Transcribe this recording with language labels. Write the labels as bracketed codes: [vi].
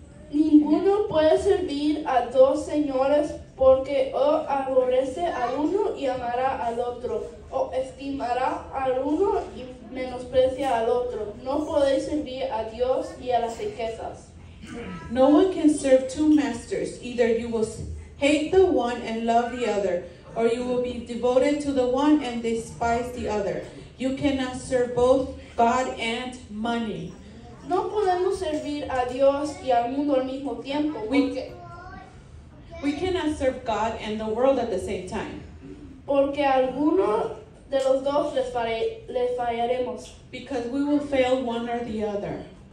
[es] Ninguno puede servir a dos señores porque o aborrece al uno y amará al otro, o estimará al uno y menosprecia al otro. No podéis servir a Dios y a las riquezas. [en] No one can serve two masters. Either you will hate the one and love the other, or you will be devoted to the one and despise the other. You cannot serve both God and money. [es] No podemos servir a Dios y al mundo al mismo tiempo. [en] We cannot serve God and the world at the same time. [es] Porque alguno de los dos les fallaremos. [en] Because we will fail one or the other.